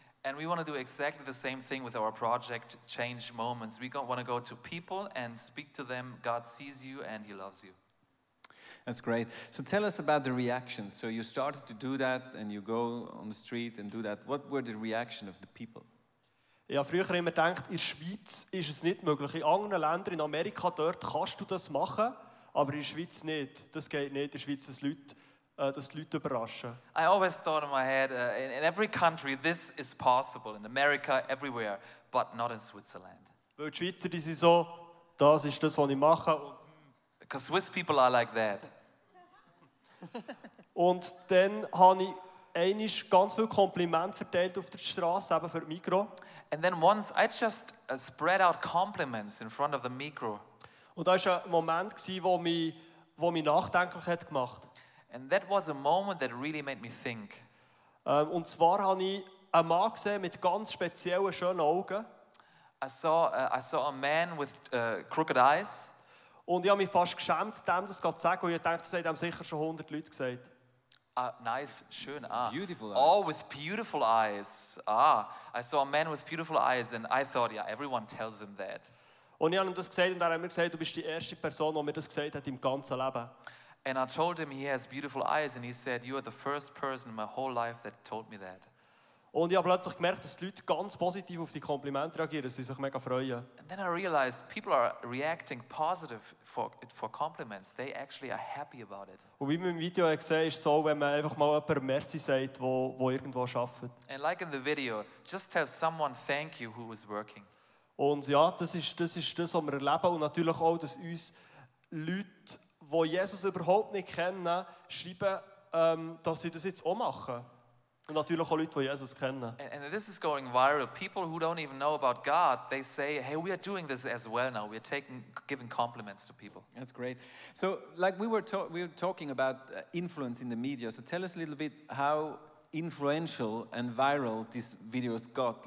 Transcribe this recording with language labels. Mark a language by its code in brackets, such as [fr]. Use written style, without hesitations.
[en] And we want to do exactly the same thing with our project Change Moments. We want to go to people and speak to them. God sees you and he loves you. That's great. So tell us about the reactions. So you started to do that and you go on the street and do that. What were the reactions of the people? [de] Ja, früher immer gedacht, in der Schweiz ist es nicht möglich. In anderen Ländern, in Amerika, dort kannst du das machen, aber in der Schweiz nicht. Das geht nicht. In der Schweiz sind Leute, dass die Leute überraschen. [en] I always thought in my head, in every country this is possible. In America, everywhere, but not in Switzerland. [de] Weil die Schweizer, die sind so, das ist das, was ich mache. [en] Because Swiss people are like that. [de] Und dann habe ich einmal ganz viel Kompliment verteilt auf der Straße, eben für Migros. [en] And then once I just spread out compliments in front of the Migros. [de] Und da war ein Moment, wo mich nachdenklich hat gemacht. [en] And that was a moment that really made me think. [de] Und zwar habe ich einen Mann gesehen mit ganz speziellen, schönen Augen. [en] I saw a man with crooked eyes. [de] Und ich habe mich fast geschämt, dem das zu sagen, weil ich dachte, das haben sicher schon 100 Leute gesagt. Nice, schön, ah. [en] Beautiful eyes. Oh, with beautiful eyes. Ah, I saw a man with beautiful eyes and I thought, yeah, everyone tells him that. [de] Und ich habe ihm das gesagt und er hat mir gesagt, du bist die erste Person, die mir das gesagt hat im ganzen Leben. [en] And I told him he has beautiful eyes, and he said, "You are the first person in my whole life that told me that." [de] Und ich habe plötzlich gemerkt, dass die Leute ganz positiv auf die Komplimente reagieren, dass sie sich mega freuen. [en] And then I realized people are reacting positive for compliments. They actually are happy about it. [de] Und wie man im Video gesehen hat, ist so, wenn man einfach mal jemandem Merci sagt, wo irgendwo arbeitet. [en] And like in the video, just tell someone thank you who is working. [de] Und ja, das ist das, was wir erleben. Und natürlich auch, dass uns Leute, die Jesus überhaupt nicht kennen, schreiben, dass sie das jetzt auch machen. Und natürlich auch Leute, die Jesus kennen. [en] And this is going viral. People who don't even know about God, they say, "Hey, we are doing this as well now. We are giving compliments to people." That's great. So, like we were talking about influence in the media. So, tell us a little bit how influential and viral these videos got.